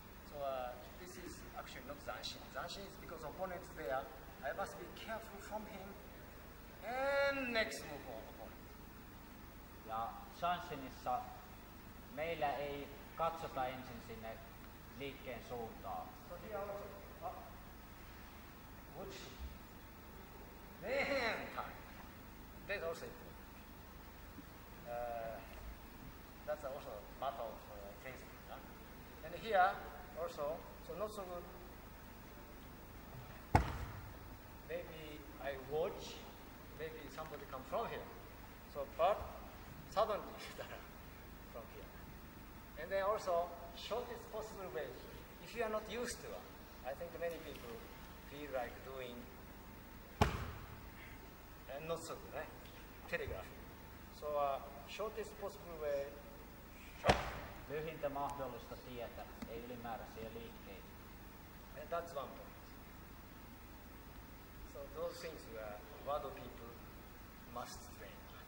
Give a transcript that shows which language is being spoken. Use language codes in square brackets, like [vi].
[en] So this is actually not Zanshin. Zanshin is because opponent's there. I must be careful from him. And next move on opponent. [fi] Ja Zanshinissa meillä ei katsota ensin sinne liikkeen suuntaa. [en] So here also, which man time. That's also important. That's also a matter of principle. Yeah? And here also, so not so good. Maybe I watch, maybe somebody come from here. So, but suddenly from here. And then also, shortest possible way. If you are not used to, I think many people feel like doing and not so good, right? Telegraph. So shortest possible way. [fi] Lyhintä mahdollista tietä, ei ylimääräisiä liikkeitä. [en] And that's one point. So those things were Wado people must train.